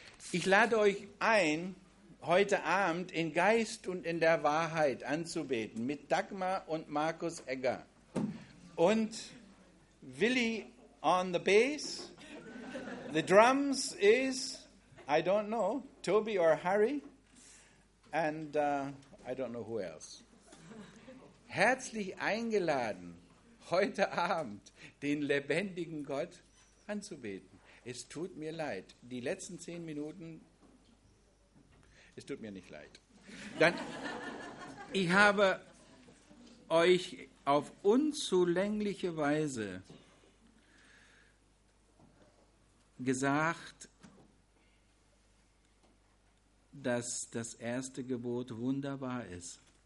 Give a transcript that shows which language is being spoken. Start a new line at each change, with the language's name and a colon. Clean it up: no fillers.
German: Ich lade euch ein, heute Abend in Geist und in der Wahrheit anzubeten mit Dagmar und Markus Egger und Willi
English: on the bass. The drums is, I don't know, Toby or Harry and I don't know who else.
German: Herzlich eingeladen, heute Abend den lebendigen Gott anzubeten. Es tut mir leid. Die letzten 10 Minuten, es tut mir nicht leid. Dann, ich habe euch auf unzulängliche Weise gesagt, dass das erste Gebot wunderbar ist.